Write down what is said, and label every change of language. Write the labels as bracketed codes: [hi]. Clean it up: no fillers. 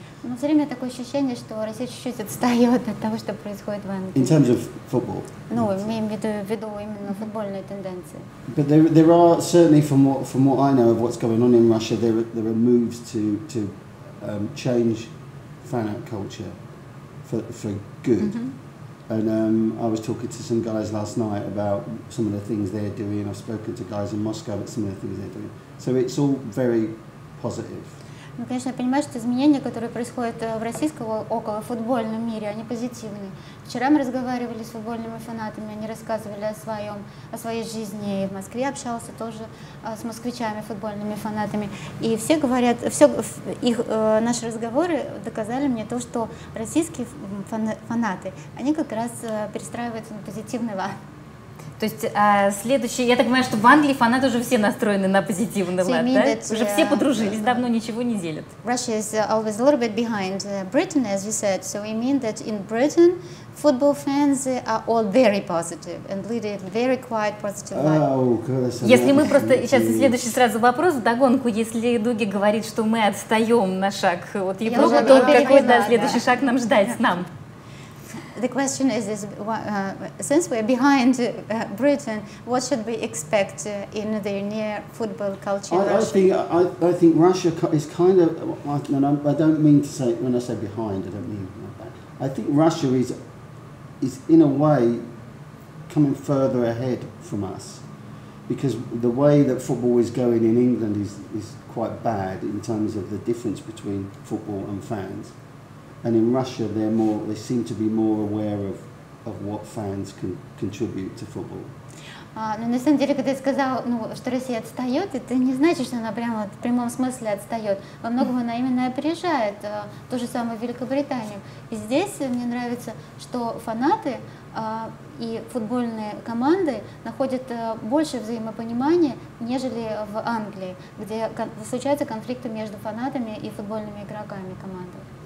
[ru] Но все время такое ощущение, что Россия чуть-чуть отстает от того, что происходит в Англии. [en] In terms of football. [ru] Ну, имеем в виду именно футбольные тенденции. [en] But there are certainly from what I know of what's going on in Russia, there are moves to change fan out culture for good. Mm-hmm. And I was talking to some guys last night about some of the things they're doing. I've spoken to guys in Moscow about some of the things they're doing. So it's all very positive. [ru] Ну, конечно, я понимаю, что изменения, которые происходят в российском околофутбольном мире, они позитивные. Вчера мы разговаривали с футбольными фанатами, они рассказывали о своей жизни. И в Москве общался тоже с москвичами, футбольными фанатами. И все говорят, наши разговоры доказали мне то, что российские фанаты, они как раз перестраиваются на позитивный лад. То есть следующий, я так понимаю, что в Англии фанаты уже все настроены на позитивный лад, да? Уже все подружились, давно ничего не делят. [en] Russia is always a little bit behind Britain, as you said. So we mean that in Britain football fans are all very positive and lead a very quiet positive life. [ru] Если мы просто сейчас следующий сразу вопрос вдогонку, если Дуги говорит, что мы отстаем на шаг от Европы, то какой, да, следующий шаг нам ждать, нам? [en] The question is since we're behind Britain, what should we expect in the near football culture? I think Russia is kind of, I don't mean to say, when I say behind, I don't mean like that. I think Russia is in a way coming further ahead from us, because the way that football is going in England is quite bad in terms of the difference between football and fans. And in Russia, they seem to be more aware of what fans can contribute to football. [ru] Ну, на самом деле, когда я сказала, ну, что Россия отстает, это не значит, что она прямо в прямом смысле отстает. Во многом она именно опережает ту же самую Великобританию. И здесь мне нравится, что фанаты и футбольные команды находят больше взаимопонимания, нежели в Англии, где случаются конфликты между фанатами и футбольными игроками команды.